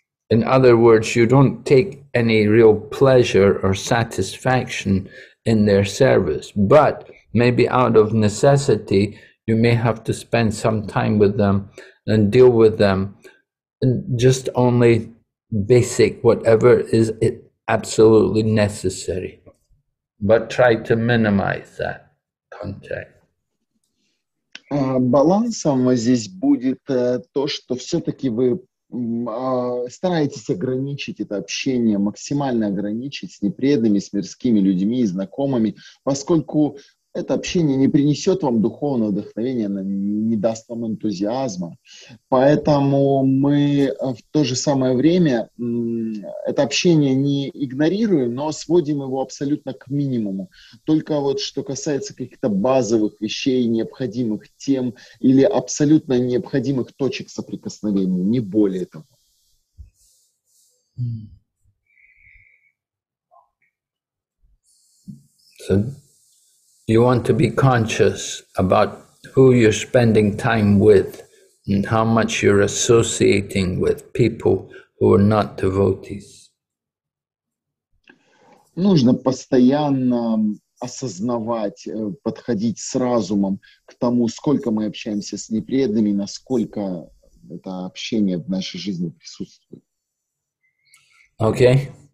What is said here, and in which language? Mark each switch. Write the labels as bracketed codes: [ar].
[en] In other words, you don't take any real pleasure or satisfaction in their service, but maybe out of necessity, you may have to spend some time with them and deal with them, and just only basic, whatever is it absolutely necessary. But try to minimize that contact. [ru] Балансом здесь будет то, что все-таки вы стараетесь ограничить это общение, максимально ограничить с непреданными, с мирскими людьми, знакомыми, поскольку это общение не принесет вам духовного вдохновения, оно не даст вам энтузиазма. Поэтому мы в то же самое время это общение не игнорируем, но сводим его абсолютно к минимуму. Только вот что касается каких-то базовых вещей, необходимых тем или абсолютно необходимых точек соприкосновения, не более того. [en] You want to be conscious about who you're spending time with and how much you're associating with people who are not devotees. [ru] Нужно постоянно осознавать, подходить с разумом к тому, сколько мы общаемся с непреданными, насколько это общение в нашей жизни присутствует. [en] Okay.